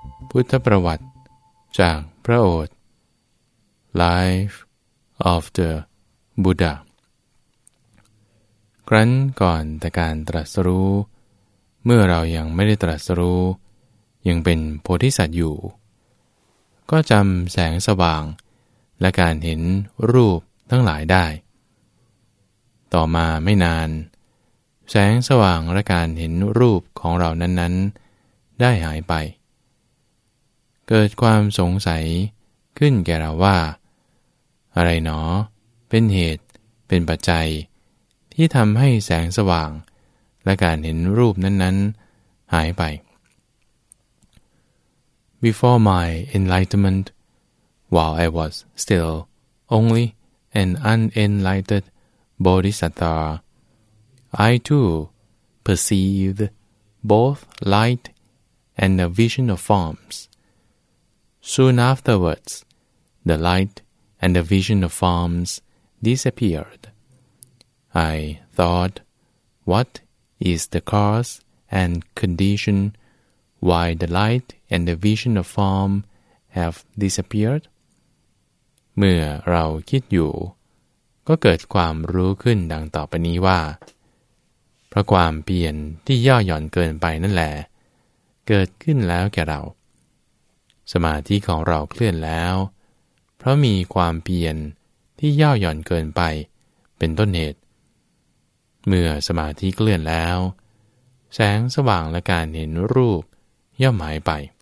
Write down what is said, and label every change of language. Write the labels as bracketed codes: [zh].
[th] พุทธประวัติจากพระโอษฐ์ [en] Life of the Buddha [th] ครั้นก่อนแต่การตรัสรู้เมื่อเรายังไม่ได้ตรัสรู้ยังเป็นโพธิสัตว์อยู่ก็จำแสงสว่างและการเห็นรูปทั้งหลายได้ต่อมาไม่นานแสงสว่างและการเห็นรูปของเรานั้นๆได้หายไป เกิดความสงสัยขึ้นแก่เราว่าอะไรหนอเป็นเหตุเป็นปัจจัยที่ทำให้แสงสว่างและการเห็นรูปนั้นๆหายไป [en] Before my enlightenment, while I was still only an unenlightened bodhisattva, I too perceived both light and a vision of forms. Soon afterwards, the light and the vision of forms disappeared. I thought, what is the cause and condition why the light and the vision of form have disappeared? [th] เมื่อเราคิดอยู่ก็เกิดความรู้ขึ้นดังต่อไปนี้ว่าเพราะความเปลี่ยนที่ย่อหย่อนเกินไปนั่นแหละเกิดขึ้นแล้วแก่เราสมาธิของเราเคลื่อนแล้วเพราะมีความเปลี่ยนที่ย่อหย่อนเกินไปเป็นต้นเหตุเมื่อสมาธิเคลื่อนแล้วแสงสว่างและการเห็นรูปย่อมหายไป